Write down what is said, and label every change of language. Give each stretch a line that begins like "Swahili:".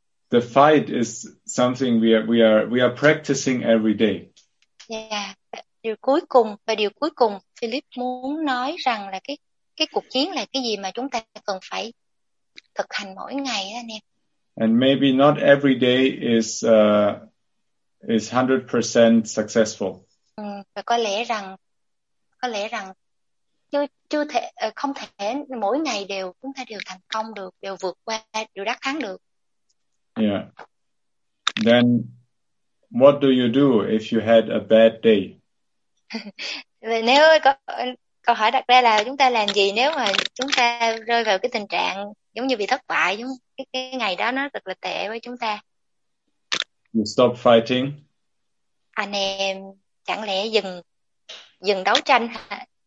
English: The fight is something we are practicing every day.
Vietnamese: Điều cuối cùng Philip muốn nói rằng là cái cuộc chiến là cái gì mà chúng ta cần phải thực hành mỗi ngày đó anh em.
English: And maybe not every day is 100% successful.
Vietnamese: Và có lẽ rằng chưa thể không thể mỗi ngày đều chúng ta đều thành công được, đều vượt qua, đều đắc thắng được.
English: Yeah. Then what do you do if you had a bad day?
Vietnamese: Nếu câu hỏi đặt ra là chúng ta làm gì nếu mà chúng ta rơi vào cái tình trạng giống như bị thất bại, giống cái ngày đó nó thật là tệ với chúng ta.
English: You stop fighting.
Vietnamese: Anh em chẳng lẽ dừng đấu tranh hả?